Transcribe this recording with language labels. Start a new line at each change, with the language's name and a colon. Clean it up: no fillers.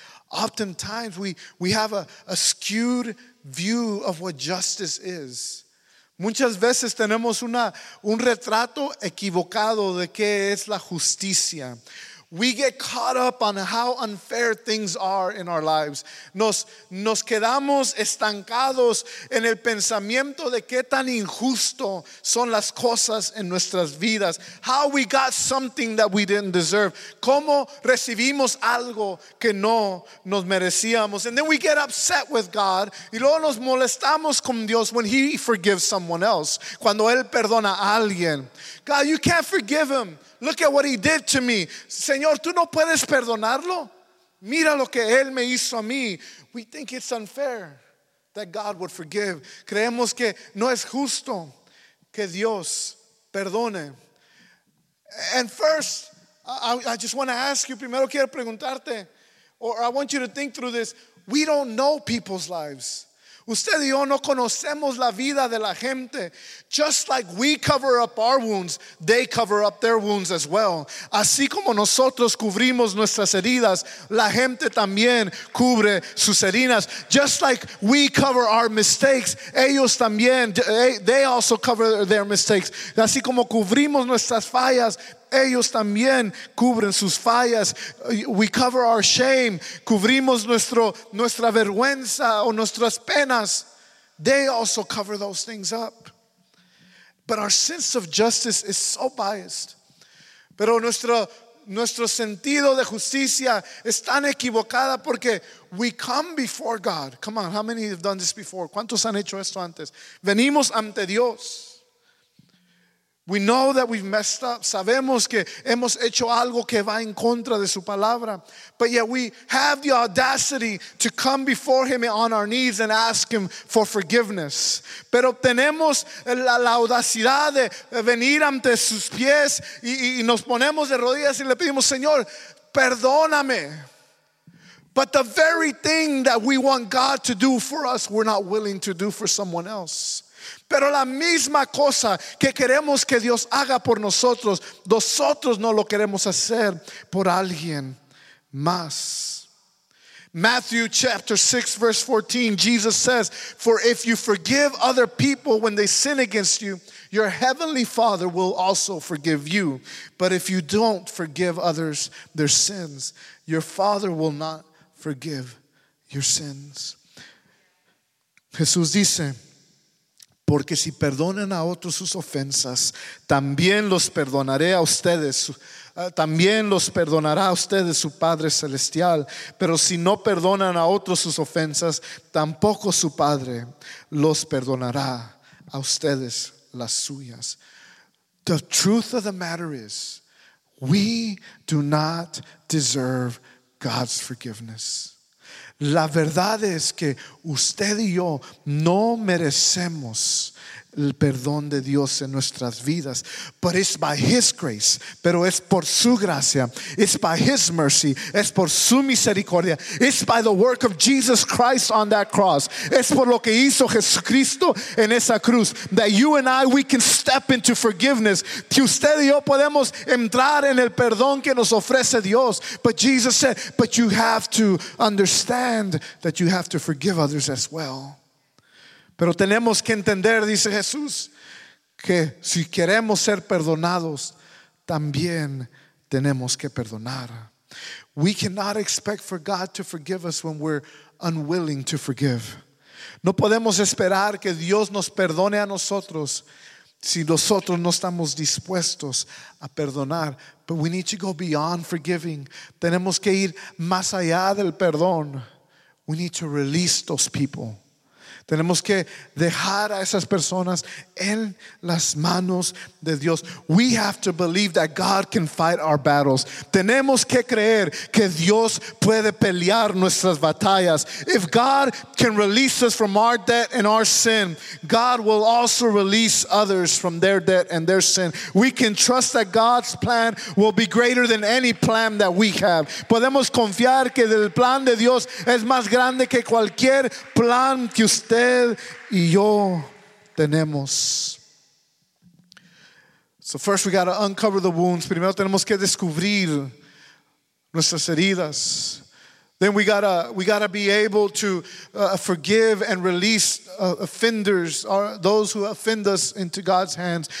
English: Oftentimes we have a skewed view of what justice is.
Spanish: Muchas veces tenemos un retrato equivocado de qué es la justicia.
English: We get caught up on how unfair things are in our lives.
Spanish: Nos quedamos estancados en el pensamiento de qué tan injusto son las cosas en nuestras vidas.
English: How we got something that we didn't deserve.
Spanish: Cómo recibimos algo que no nos merecíamos.
English: And then we get upset with God.
Spanish: Y luego nos molestamos con Dios
English: when he forgives someone else.
Spanish: Cuando él perdona a alguien.
English: God, you can't forgive him. Look at what he did to me.
Spanish: Señor, tú no puedes perdonarlo. Mira lo que él me hizo a mí.
English: We think it's unfair that God would forgive.
Spanish: Creemos que no es justo que Dios perdone.
English: And first, I just want to ask you,
Spanish: primero quiero preguntarte,
English: or I want you to think through this. We don't know people's lives.
Spanish: Usted y yo no conocemos la vida de la gente.
English: Just like we cover up our wounds, they cover up their wounds as well.
Spanish: Así como nosotros cubrimos nuestras heridas, la gente también cubre sus heridas.
English: Just like we cover our mistakes,
Spanish: ellos también,
English: they also cover their mistakes.
Spanish: Así como cubrimos nuestras fallas, ellos también cubren sus fallas.
English: We cover our shame.
Spanish: Cubrimos nuestra vergüenza o nuestras penas.
English: They also cover those things up. But our sense of justice is so biased.
Spanish: Pero nuestro sentido de justicia es tan equivocada porque
English: we come before God. Come on, how many have done this before?
Spanish: ¿Cuántos han hecho esto antes? Venimos ante Dios.
English: We know that we've messed up.
Spanish: Sabemos que hemos hecho algo que va en contra de su palabra.
English: But yet we have the audacity to come before him on our knees and ask him for forgiveness.
Spanish: Pero tenemos la audacidad de venir ante sus pies y nos ponemos de rodillas y le pedimos, Señor, perdóname.
English: But the very thing that we want God to do for us, we're not willing to do for someone else.
Spanish: Pero la misma cosa que queremos que Dios haga por nosotros, nosotros no lo queremos hacer por alguien más.
English: Matthew chapter 6 verse 14, Jesus says, "For if you forgive other people when they sin against you, your heavenly Father will also forgive you. But if you don't forgive others their sins, your Father will not forgive your sins."
Spanish: Jesús dice, porque si perdonan a otros sus ofensas, también los perdonaré a ustedes. También los perdonará a ustedes su Padre Celestial. Pero si no perdonan a otros sus ofensas, tampoco su Padre los perdonará a ustedes las suyas.
English: The truth of the matter is, we do not deserve God's forgiveness.
Spanish: La verdad es que usted y yo no merecemos el perdón de Dios en nuestras vidas.
English: But it's by his grace.
Spanish: Pero es por su gracia.
English: It's by his mercy.
Spanish: Es por su misericordia.
English: It's by the work of Jesus Christ on that cross.
Spanish: Es por lo que hizo Jesucristo en esa cruz.
English: That you and I, we can step into forgiveness.
Spanish: Que usted y yo podemos entrar en el perdón que nos ofrece Dios.
English: But Jesus said, but you have to understand that you have to forgive others as well.
Spanish: Pero tenemos que entender, dice Jesús, que si queremos ser perdonados, también tenemos que perdonar.
English: We cannot expect for God to forgive us when we're unwilling to forgive.
Spanish: No podemos esperar que Dios nos perdone a nosotros Si nosotros no estamos dispuestos a perdonar,
English: but we need to go beyond forgiving.
Spanish: Tenemos que ir más allá del perdón.
English: We need to release those people.
Spanish: Tenemos que dejar a esas personas en las manos de Dios.
English: We have to believe that God can fight our battles.
Spanish: Tenemos que creer que Dios puede pelear nuestras batallas.
English: If God can release us from our debt and our sin, God will also release others from their debt and their sin. We can trust that God's plan will be greater than any plan that we have.
Spanish: Podemos confiar que el plan de Dios es más grande que cualquier plan que usted y yo tenemos.
English: So first we got to uncover the wounds.
Spanish: Primero tenemos que descubrir nuestras heridas.
English: Then we gotta be able to forgive and release offenders, or those who offend us, into God's hands.